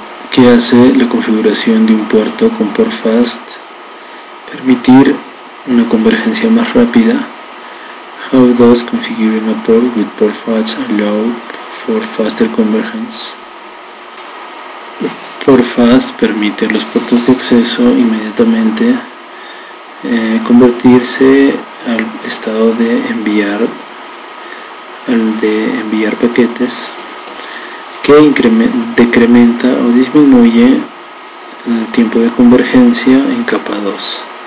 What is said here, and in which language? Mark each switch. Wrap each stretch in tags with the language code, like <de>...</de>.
<es>¿Qué hace la configuración de un puerto con port fast? Permitir una convergencia más rápida.</es> <en>How does configuring a port with port fast allow for faster convergence?</en> <es>Port fast permite a los puertos de acceso inmediatamente convertirse al estado de enviar, al de enviar paquetes, que decrementa o disminuye el tiempo de convergencia en capa 2.</es>